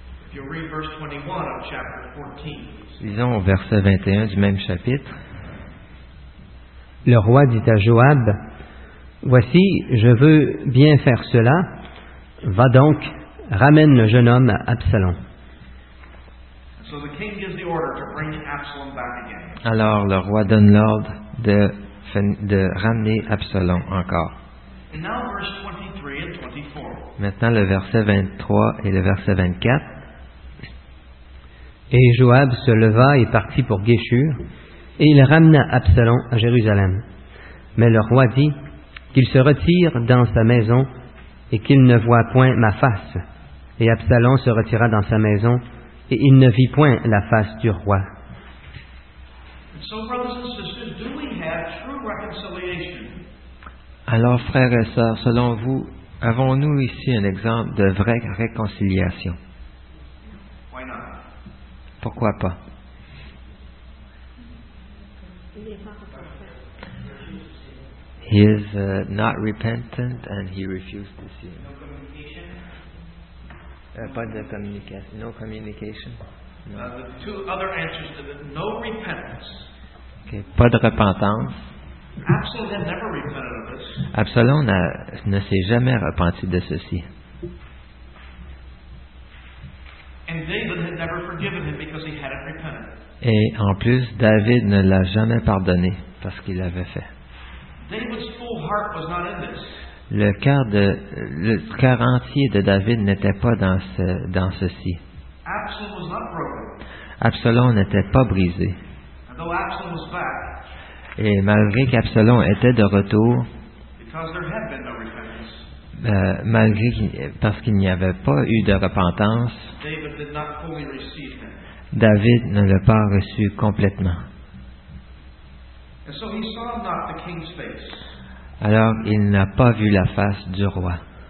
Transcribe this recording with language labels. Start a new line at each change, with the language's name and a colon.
English: If you read verse 21 of chapter 14.
French: Lisons au verset 21 du même chapitre. Le roi dit à Joab, « Voici, je veux bien faire cela. Va donc, ramène le jeune homme à Absalom. »
English: So the king gives the order to bring Absalom back again.
French: Alors le roi donne l'ordre de ramener Absalom encore.
English: And now verse 23 and 24.
French: Maintenant le verset 23 et le verset 24. Et Joab se leva et partit pour Geshur, et il ramena Absalom à Jérusalem. Mais le roi dit qu'il se retire dans sa maison et qu'il ne voit point ma face. Et Absalom se retira dans sa maison et il ne vit point la face du roi.
English: So, brothers and sisters, do we have true reconciliation?
French: Alors, frères et sœurs, selon vous, avons-nous ici un exemple de vraie réconciliation?
English: Why not?
French: Pourquoi pas?
English: He is not repentant and he refused to see. No communication?
French: Pas de communication.
English: No communication. No. The two other answers to that: no repentance.
French: Okay. Pas de repentance.
English: Absalom, had never repented of this.
French: Absalom ne s'est jamais repenti de ceci.
English: And David had never forgiven him because he hadn't repented.
French: Et en plus, David ne l'a jamais pardonné parce qu'il l'avait fait.
English: David's full heart was not in this.
French: Le cœur entier de David n'était pas dans ceci.
English: Absalom, was not broken.
French: Absalom n'était pas brisé.
English: Though Absalom was back,
French: et malgré qu'Absalom était de retour,
English: because there had been no repentance,
French: parce qu'il n'y avait pas eu de repentance,
English: David, did not fully receive him.
French: David ne l'a pas reçu complètement.
English: And so he saw not the king's face.
French: Alors il n'a pas vu la face du roi.